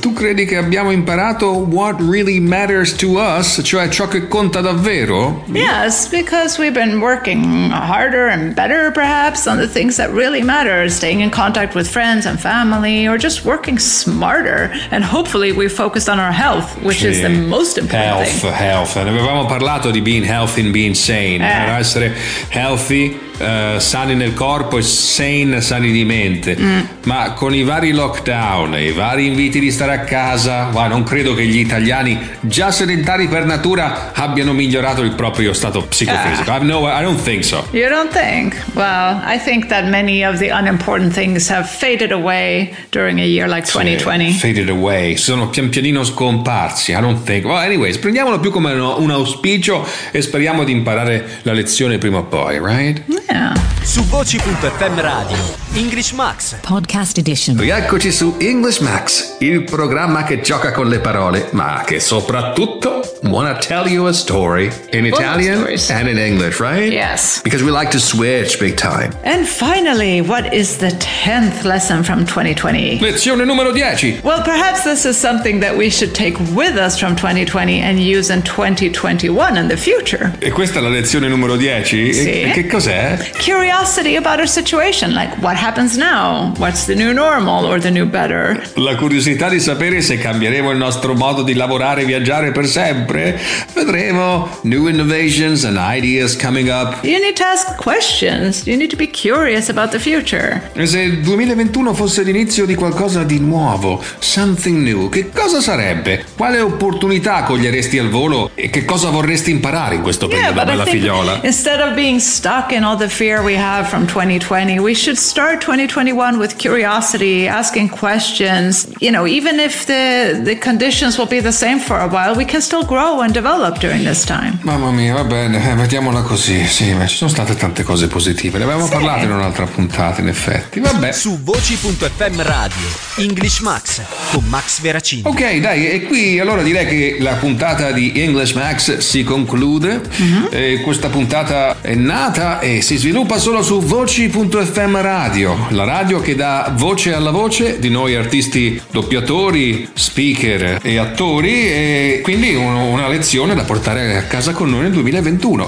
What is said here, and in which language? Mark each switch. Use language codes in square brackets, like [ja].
[it] Tu credi che abbiamo imparato [en] what really matters to us, [it] cioè ciò che conta davvero? [en] Yes, because we've been working harder and better, perhaps, on the things that really matter, staying in contact with friends and family, or just working smarter. And hopefully we've focused on our health, which is the most important health, thing. Health, health. [it] Ne avevamo parlato di [en] being healthy and being sane. [it] Per essere healthy, sani nel corpo e sane, sani di mente. Ma con i vari lockdown e i vari inviti di stare a casa, non credo che gli italiani già sedentari per natura abbiano migliorato il proprio stato psicofisico. [en] No, I don't think so. You don't think? Well, I think that many of the unimportant things have faded away during a year like 2020. Faded away. [it] Sono pian pianino scomparsi. [en] I don't think. Well, anyways, [it] prendiamolo più come un auspicio e speriamo di imparare la lezione prima o poi, [en] right? Yeah. [it] Su voci.fm radio English Max [en] Podcast Edition. [it] Rieccoci su English Max, il programma che gioca con le parole, ma che soprattutto [en] wanna tell you a story in Italian and in English, right? Yes. Because we like to switch big time. And finally, what is the 10th lesson from 2020? [it] Lezione numero 10. [en] Well, perhaps this is something that we should take with us from 2020 and use in 2021 in the future. [it] E questa è la lezione numero 10? Sì. E che cos'è? [en] Curiosity about our situation, like what happens now? What's the new normal or the new better? [it] La curiosità di sapere se cambieremo il nostro modo di lavorare e viaggiare per sempre. Vedremo [en] new innovations and ideas coming up. You need to ask questions. You need to be curious about the future. [it] E se il 2021 fosse l'inizio di qualcosa di nuovo, [en] something new, [it] che cosa sarebbe? Quale opportunità coglieresti al volo e che cosa vorresti imparare in questo periodo, bella figliola? [en] Instead of being stuck in all the fear we have from 2020, we should start 2021 with curiosity, asking questions. You know, even if the conditions will be the same for a while, we can still grow and develop during this time. [it] Mamma mia, va bene, mettiamola così. Sì, ma ci sono state tante cose positive, ne avevamo parlato in un'altra puntata, in effetti. Vabbè, su voci.fm radio English Max con Max Veracini. Ok, dai, e qui allora direi che la puntata di English Max si conclude. E questa puntata è nata e si sviluppa solo su voci.fm radio, la radio che dà voce alla voce di noi artisti, doppiatori, speaker e attori, e quindi una lezione da portare a casa con noi nel 2021.